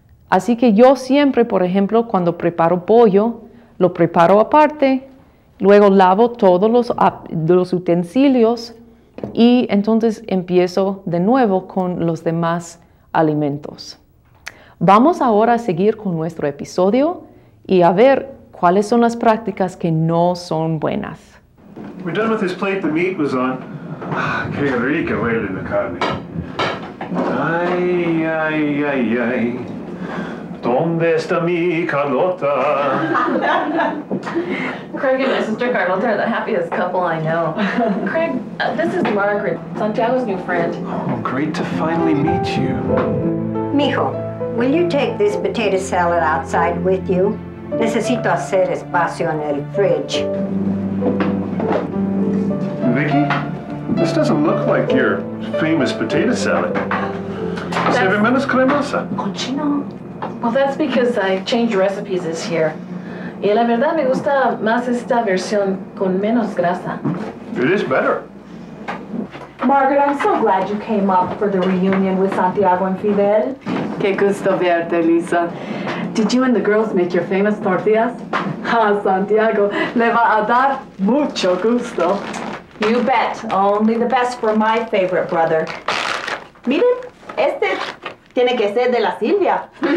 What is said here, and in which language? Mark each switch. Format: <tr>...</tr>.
<es>Así que yo siempre, por ejemplo, cuando preparo pollo, lo preparo aparte, luego lavo todos los utensilios y entonces empiezo de nuevo con los demás alimentos. Vamos ahora a seguir con nuestro episodio y a ver cuáles son las prácticas que no son buenas.</es> <en>We're done with this plate, the meat was on.</en> <es>Qué rica huele la carne. Ay, ay, ay, ay. ¿Dónde está mi Carlota?</es> <en>Craig and Mr. Carlota are the happiest couple I know. Craig, this is Margaret, Santiago's new friend. Oh, great to finally meet you. Mijo, will you take this potato salad outside with you?</en> <es>Necesito hacer espacio en el fridge.</es> <en>Vicky, this doesn't look like your famous potato salad.</en> <es>Seven menos cremosa. Cochino.</es> <en>Well, that's because I changed recipes this year.</en> <es>Y la verdad me gusta más esta versión con menos grasa.</es> <en>It is better. Margaret, I'm so glad you came up for the reunion with Santiago and Fidel.</en> <es>Qué gusto verte, Lisa.</es> <en>Did you and the girls make your famous tortillas?</en> <es>Ah, Santiago, le va a dar mucho gusto.</es> <en>You bet. Only the best for my favorite brother.</en> <es>Miren, este tiene que ser de la Silvia.</es>